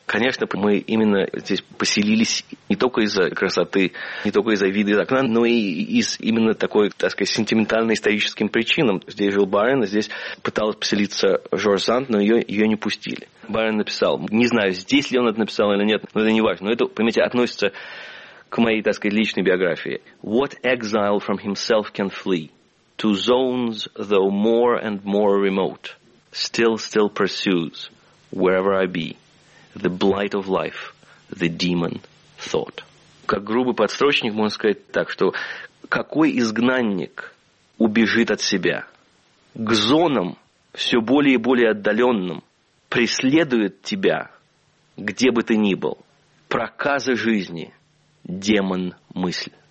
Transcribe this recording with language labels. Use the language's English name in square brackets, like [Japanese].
[Russian] Конечно, мы именно здесь поселились не только из-за красоты, не только из-за вида из окна, но и из именно такой, так сказать, сентиментально-историческим причинам. Здесь жил Байрон, здесь пыталась поселиться Жорж Санд, но ее не пустили. Байрон написал, не знаю, здесь ли он это написал или нет, но это не важно. Но это, понимаете, относится к моей, так сказать, личной биографии. [English] What exile from himself can flee? To zones, though more and more remote, still pursues, wherever I be, the blight of life, the demon thought. [Russian] Как грубый подстрочник, можно сказать так, что какой изгнанник убежит от себя? К зонам, все более и более отдаленным, преследует тебя, где бы ты ни был, проказы жизни, демон мысль.